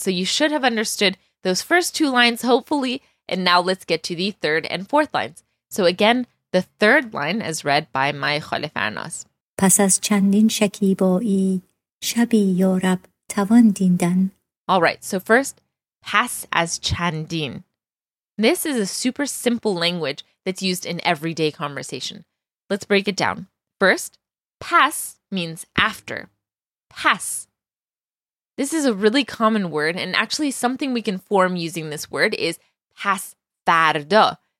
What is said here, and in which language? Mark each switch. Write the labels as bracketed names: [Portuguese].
[English] So you should have understood those first two lines, hopefully. And now let's get to the third and fourth lines. So again, the third line is read by my Khale Farnaz. [Persian] پس از چندین شکیبایی شبی یا رب توان دیدن. [English] All right, so first, [Persian] پس از چندین. [English] This is a super simple language that's used in everyday conversation. Let's break it down. First, Pass means after. Pass. This is a really common word, and actually something we can form using this word is pass farda.